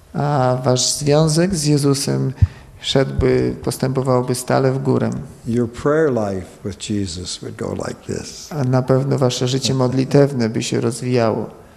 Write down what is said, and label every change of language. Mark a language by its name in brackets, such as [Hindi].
[Polish] A wasz związek z Jezusem szedłby, postępowałby stale w górę. [English] Your prayer life with Jesus would go like this. [Polish] A na pewno wasze życie modlitewne by się rozwijało.